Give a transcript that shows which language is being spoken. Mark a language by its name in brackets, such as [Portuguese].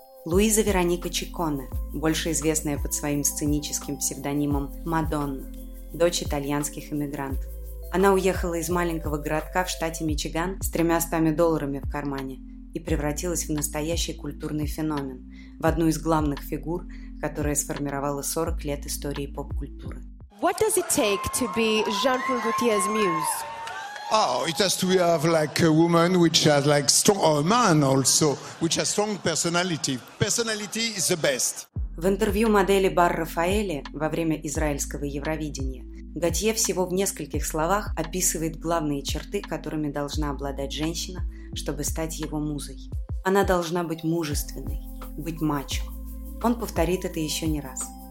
[Russian] Луиза Вероника Чиконе, больше известная под своим сценическим псевдонимом Мадонна, дочь итальянских эмигрантов. Она уехала из маленького городка в штате Мичиган с $300 в кармане и превратилась в настоящий культурный феномен, в одну из главных фигур, которая сформировала 40 лет истории поп-культуры. [English] What does it take to be Jean-Paul Gaultier's muse? Oh, it has to have like a woman which has like strong, or a man also, which has strong personality. Personality is the best. [Russian] В интервью модели Бар Рафаэли во время израильского Евровидения Готье всего в нескольких словах описывает главные черты, которыми должна обладать женщина, чтобы стать его музой. Она должна быть мужественной, быть мачо. Он повторит это еще не раз.